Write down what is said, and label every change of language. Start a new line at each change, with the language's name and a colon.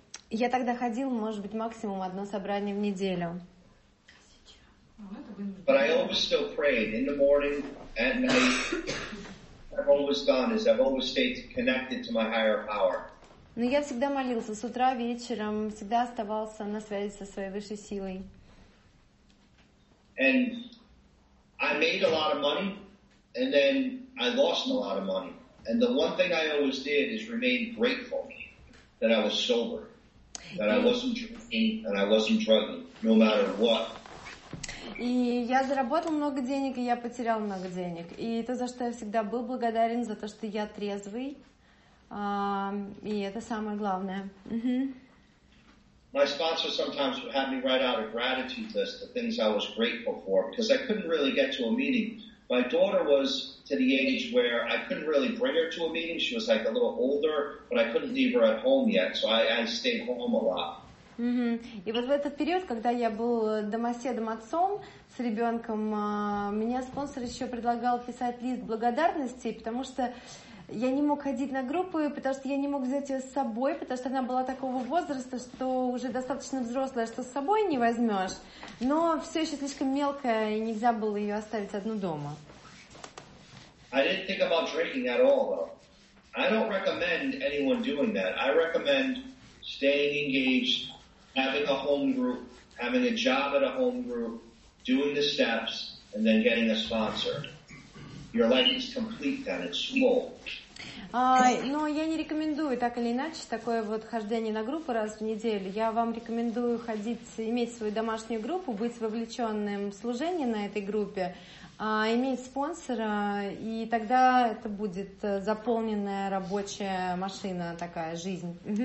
Russian: Я тогда ходил, может быть, максимум одно собрание в неделю.
English: But I always still prayed in the morning, at night. I've always done is I've always stayed connected to my higher power.
Russian: Но я всегда молился с утра вечером, всегда оставался на связи со своей высшей силой.
English: And I made a lot of money, and then I lost a lot of money. And the one thing I always did is remain grateful that I was sober, that I wasn't drinking, and I wasn't drugging, no matter what.
Russian: И я заработал много денег, и я потерял много денег. И то, за что я всегда был благодарен, за то, что я трезвый. И это самое главное.
English: My sponsor sometimes would have me write out a gratitude list, the things I was grateful for, because I couldn't really get to a meeting. My daughter was to the age where I couldn't really bring her to a meeting. She was like a little older, but I couldn't leave her at home yet, so I stayed home a lot.
Russian: И вот в этот период, когда я был домоседом отцом с ребенком, меня спонсор еще предлагал писать лист благодарностей, потому что я не мог ходить на группу, потому что я не мог взять ее с собой, потому что она была такого возраста, что уже достаточно взрослая, что с собой не возьмешь, но все еще слишком мелкая, и нельзя было ее оставить одну дома.
English: I didn't think about drinking at all, though. I don't recommend anyone doing that. I recommend staying engaged. Having a home group, having a job at a home group, doing the steps, and then getting a sponsor. Your life is complete then, it's full.
Russian: Но я не рекомендую так или иначе такое вот хождение на группу раз в неделю. Я вам рекомендую ходить, иметь свою домашнюю группу, быть вовлеченным в служение на этой группе, иметь спонсора, и тогда это будет заполненная рабочая машина, такая жизнь.